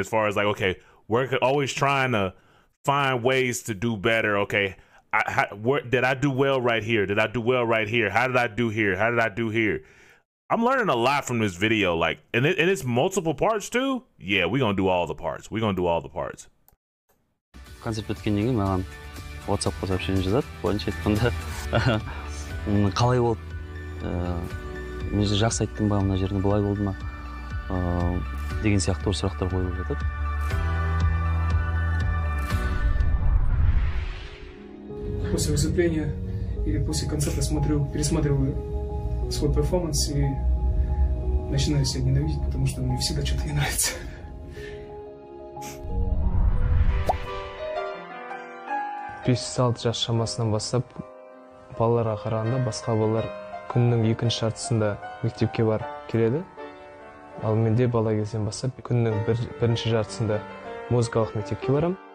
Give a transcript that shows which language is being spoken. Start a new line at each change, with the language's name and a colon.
English: As far as like, okay, we're always trying to find ways to do better. Okay, did I do well right here? How did I do here? I'm learning a lot from this video. Like, and it's multiple parts too. Yeah, we're gonna do all the parts.
Kazakh: Концерт өткеннен кейін маған WhatsApp-қа сообщение жазады. Бұлайша айтқанда қалай болды? Мен жақсы айттым ба, мына жерде былай болды ма? Деген сияқты ол сұрақтар қойылып жатады.
Russian: После выступления или после концерта пересматриваю свой перформанс и начинаю себя ненавидеть, потому что мне всегда что-то не нравится.
Kazakh: Бес-алты жас шамасынан бастап балаларға қарағанда басқа балалар күннің екінші жартысында мектепке барып келеді. Ал менде бала кезден бастап күннің бірінші жартысында музыкалық мектепке барам.